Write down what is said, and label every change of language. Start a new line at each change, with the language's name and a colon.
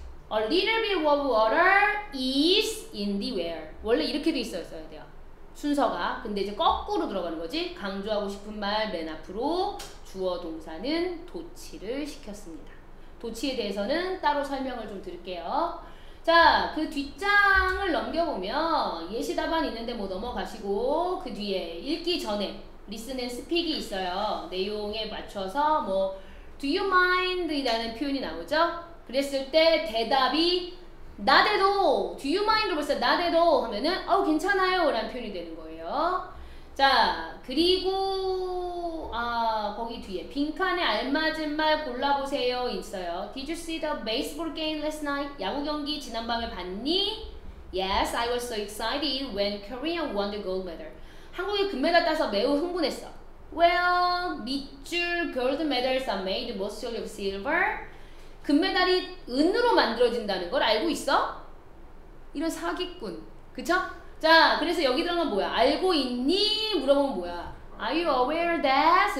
English: A little bit of water is in the where.
Korean: 원래 이렇게 돼 있었어야 돼요. 순서가. 근데 이제 거꾸로 들어가는 거지. 강조하고 싶은 말 맨 앞으로 주어 동사는 도치를 시켰습니다. 도치에 대해서는 따로 설명을 좀 드릴게요. 자, 그 뒷장을 넘겨보면 예시 답안 있는데 뭐 넘어가시고 그 뒤에 읽기 전에
English: listen and speak
Korean: 이 있어요. 내용에 맞춰서 뭐
English: do you mind
Korean: 이라는 표현이 나오죠. 그랬을 때 대답이
English: not at all, do you mind
Korean: 로 벌써
English: not at all
Korean: 하면은 어우 괜찮아요 라는 표현이 되는 거예요. 자, 그리고 아 거기 뒤에 빈칸에 알맞은 말 골라보세요 있어요.
English: Did you see the baseball game last night?
Korean: 야구 경기 지난밤에 봤니?
English: Yes, I was so excited when Korea won the gold medal.
Korean: 한국이 금메달 따서 매우 흥분했어.
English: Well,
Korean: 밑줄
English: gold medals are made mostly of silver.
Korean: 금메달이 은으로 만들어진다는 걸 알고 있어? 이런 사기꾼, 그쵸? 자, 그래서 여기 들어가면 뭐야? 알고 있니? 물어보면 뭐야?
English: Are you aware that?